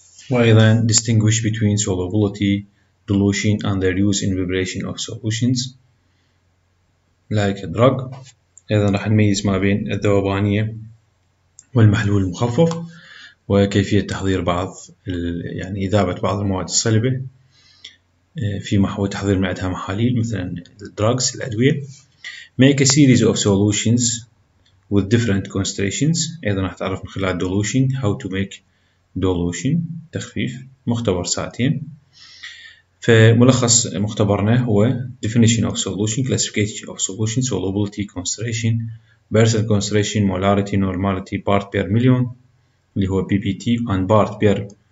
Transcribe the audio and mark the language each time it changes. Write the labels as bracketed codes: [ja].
[ar] وأيضا [en] distinguish between solubility, dilution and their use in preparation of solutions like a drug. [ar] أيضا راح نميز ما بين الذوبانية والمحلول المخفف وكيفية تحضير بعض يعني إذابة بعض المواد الصلبة في محاولة تحضير معدها محاليل مثلا الدراجز الأدوية. [en] Make a series of solutions with different concentrations. [ar] أيضا راح تعرف من خلال [en] dilution how to make dilution, [ar] تخفيف. مختبر ساعتين. فملخص مختبرنا هو [en] definition of solution, classification of solution, solubility, concentration, basal concentration, molarity, normality, part per million [ar] اللي هو [en] PPT and part per